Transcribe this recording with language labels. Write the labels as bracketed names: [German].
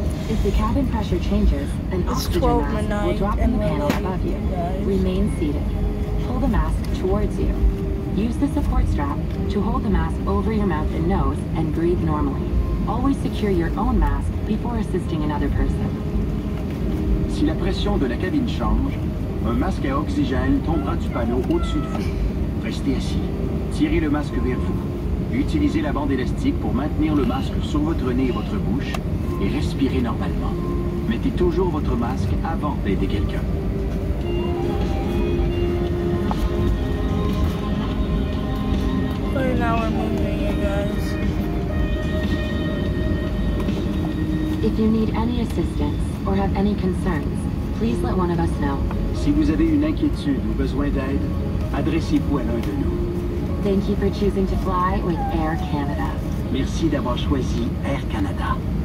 [English] If the cabin pressure changes, an oxygen mask will drop in the panel above you. Remain seated. Pull the mask towards you. Use the support strap to hold the mask over your mouth and nose and breathe normally. Always secure your own mask before assisting another person. [French] Si la pression de la cabine change, un masque à oxygène tombera du panneau au-dessus de vous. Restez assis. Tirez le masque vers vous. Utilisez la bande élastique pour maintenir le masque sur votre nez et votre bouche et respirez normalement. Mettez toujours votre masque avant d'aider quelqu'un. [English] Now we're moving, you guys. If you need any assistance or have any concerns, please let one of us know. [French] Si vous avez une inquiétude ou besoin d'aide, adressez-vous à l'un de nous. [English] Thank you for choosing to fly with Air Canada. [French] Merci d'avoir choisi Air Canada.